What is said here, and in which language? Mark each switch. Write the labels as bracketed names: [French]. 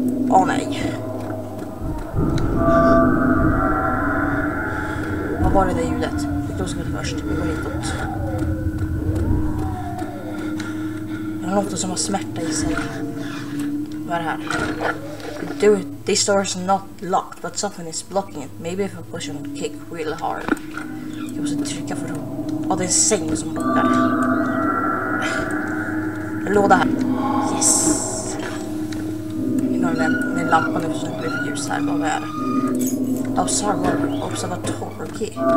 [Swedish] Åh nej. Vad var det där ljudet? Det låter som det först. Vi går hitåt. Det är något som har smärta i sig. Vad är det här? [English] Dude, this door is not locked, but something is blocking it. Maybe if I push and kick real hard. [Swedish] Jag måste trycka för dem. Åh, det är en säng som blockar. Låda här. Yes. Nu har vi en lampa nu så det blir ljus här. Vad är det? Observatory. Okay.